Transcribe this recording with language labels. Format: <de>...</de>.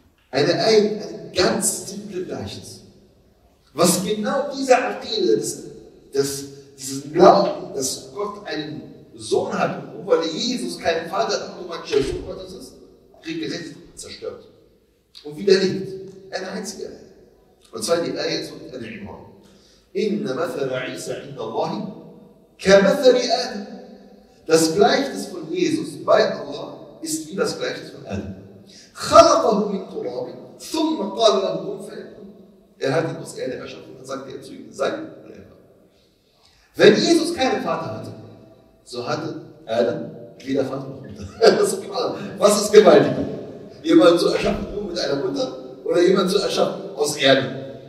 <de>Eine ganz simple Gleichnis. Was genau diese Akide ist, dass dieses Glauben, dass Gott einen Sohn hat, obwohl Jesus keinen Vater hat, nur manche Sohn Gottes ist, regelrecht zerstört. Und widerlegt. Eine einzige Ayah. Und zwar die Ayah zu Al-Imran.</de> <ar>Inna mathala Isa inda Allahi ka mathali Adam.</ar> <de>Das Gleichnis von Jesus bei Allah ist wie das Gleichnis von Adam.</de> <ar>خلقه من تراب ثم قال له كن فيكون.</ar> <de>Er hat ihn aus Erde erschaffen und dann sagte er zu ihm, sei unerbar. Wenn Jesus keinen Vater hatte, so hatte Adam weder Vater noch Mutter. Was ist gewaltig? Jemand zu erschaffen nur mit einer Mutter oder jemand zu erschaffen aus Erde?</de>